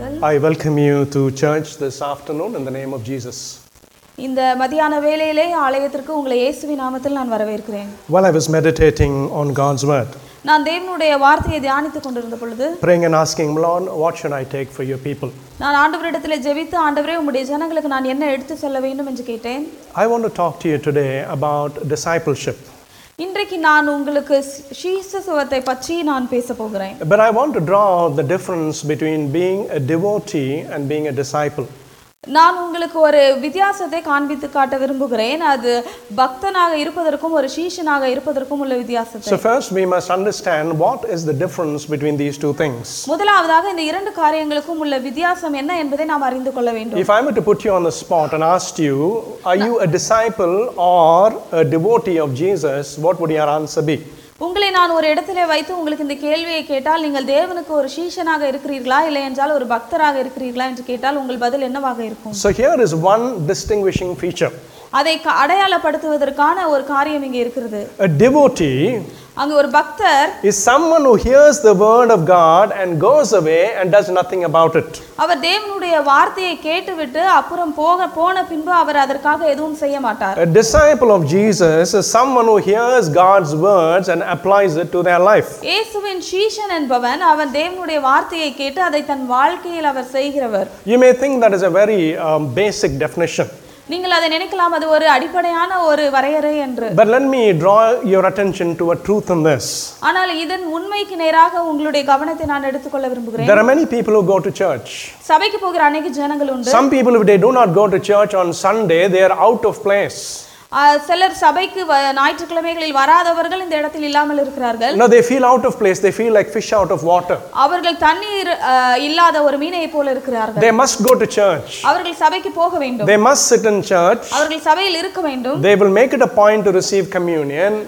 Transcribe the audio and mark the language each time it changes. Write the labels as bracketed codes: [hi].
[en] I welcome you to church this afternoon in the name of Jesus. [ta] இந்த மதியான வேளையிலே ஆலயத்திற்கு உங்களை இயேசுவின் நாமத்தில் நான் வரவேற்கிறேன். [en] While I was meditating on God's word. [ta] நான் தேவனுடைய வார்த்தையை தியானித்துக் கொண்டிருந்த பொழுது [en] praying and asking Lord, what should I take for your people? [ta] நான் ஆண்டவரிடத்தில் ஜெபித்து ஆண்டவரே உம்முடைய ஜனங்களுக்கு நான் என்ன எடுத்து சொல்ல வேண்டும் என்று கேட்டேன். [en] I want to talk to you today about discipleship. [ta] இன்றைக்கு நான் உங்களுக்கு சீஷத்துவத்தை பற்றி நான் பேச போகிறேன். [en] But I want to draw the difference between being a devotee and being a disciple. [ta] நான் உங்களுக்கு ஒரு வித்தியாசத்தை காண்பித்து காட்ட விரும்புகிறேன். அது பக்தனாக இருப்பதற்கும் ஒரு சீஷனாக இருப்பதற்கும் உள்ள வித்தியாசத்தை. [en] So first we must understand what is the difference between these two things. [ta] முதலாவதாக இந்த இரண்டு காரியங்களுக்கும் உள்ள வித்தியாசம் என்ன என்பதை நாம் அறிந்து கொள்ள வேண்டும். [en] If I were to put you on the spot and asked you, are you a disciple or a devotee of Jesus, what would your answer be? [ta] உங்களை நான் ஒரு இடத்திலே வைத்து உங்களுக்கு இந்த கேள்வியை கேட்டால், நீங்கள் தேவனுக்கு ஒரு சீஷனாக இருக்கிறீர்களா இல்லை என்றால் ஒரு பக்தராக இருக்கிறீர்களா என்று கேட்டால் உங்கள் பதில் என்னவாக இருக்கும்? [en] So here is one distinguishing feature. [ta] அதை அடையாளப்படுத்துவதற்கான ஒரு காரியம் இங்கே இருக்கிறது. [en] A devotee [ta] அங்கே ஒரு பக்தர் [en] is someone who hears the word of God and goes away and does nothing about it. [ta] அவர் தேவனுடைய வார்த்தையை கேட்டுவிட்டு அப்புறம் போன பின்பு அவர் அதற்காக எதுவும் செய்ய மாட்டார். [en] A disciple of Jesus is someone who hears God's words and applies it to their life. [ta] இயேசுவின் சீஷன் என்பவன் அவன் தேவனுடைய வார்த்தையை கேட்டு அதை தன் வாழ்க்கையில் அவர் செய்கிறவர். [en] You may think that is a very basic definition. [ta] நீங்கள் அதை நினைக்கலாம் அது ஒரு அடிப்படையான ஒரு வரையறை என்று. [en] But let me draw your attention to a truth in this. [ta] ஆனால் இதன் உண்மைக்கு நேராக உங்களுடைய கவனத்தை நான் எடுத்துக்கொள்ள விரும்புகிறேன். [en] There are many people who go to church. [ta] சபைக்கு போகிற அநேக ஜனங்கள் உண்டு. [en] Some people, if they do not go to church on Sunday, they are out of place. [ta] சிலர் சபைக்கு ஞாயிற்றுக்கிழமைகளில் வராதவர்கள் இந்த இடத்தில் இல்லாமல் இருக்கிறார்கள். [en] No, they feel out of place. They feel like fish out of water. [ta] அவர்கள் தண்ணீர் இல்லாத ஒரு மீனை போல இருக்கிறார்கள். [en] They must go to church. [ta] அவர்கள் சபைக்கு போக வேண்டும். [en] They must sit in church. [ta] அவர்கள் சபையில் இருக்க வேண்டும். [en] They will make it a point to receive communion.